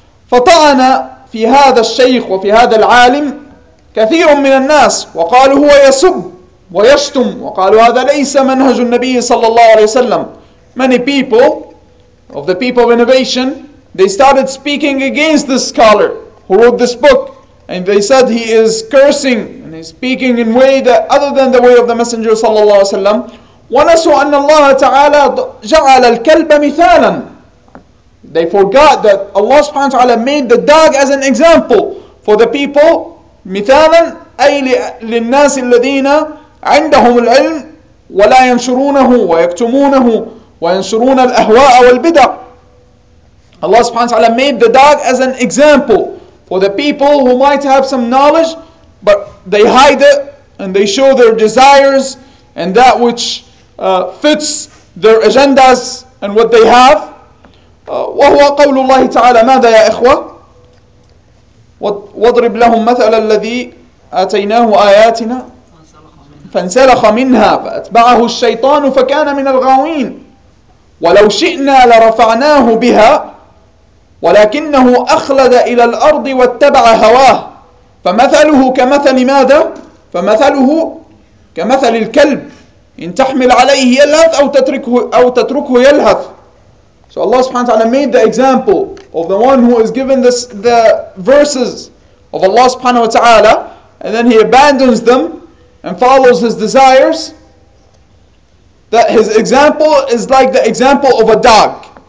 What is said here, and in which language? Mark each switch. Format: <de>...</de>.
<ar>فطعن في هذا الشيخ وفي هذا العالم كثير من الناس وقالوا هو يسب ويشتم وقالوا هذا ليس منهج النبي صلى الله عليه وسلم.</ar> <en>Many people of the people of innovation, they started speaking against this scholar who wrote this book, and they said he is cursing and he's speaking in way that other than the way of the Messenger صلى الله عليه وسلم.</en> <ar>ونسوا أن الله تعالى جعل الكلب مثالا.</ar> <en>They forgot that Allah subhanahu wa ta'ala made the dog as an example for the people.</en> <ar>مثالا أي للناس الذين عندهم العلم ولا ينشرونه ويكتمونه وينشرون الأهواء والبدع.</ar> <en>Allah subhanahu wa ta'ala made the dog as an example for the people who might have some knowledge, but they hide it and they show their desires and that which fits their agendas and what they have.</en> <ar>وهو قول الله تعالى ماذا يا إخوة واضرب لهم مثل الذي آتيناه آياتنا فانسلخ منها فأتبعه الشيطان فكان من الغاوين ولو شئنا لرفعناه بها ولكنه أخلد إلى الأرض واتبع هواه فمثله كمثل ماذا؟ فمثله كمثل الكلب إن تحمل عليه يلهث أو تتركه يلهث.</ar> <en>So Allah subhanahu wa ta'ala made the example of the one who is given the verses of Allah subhanahu wa ta'ala, and then he abandons them and follows his desires, that his example is like the example of a dog.</en>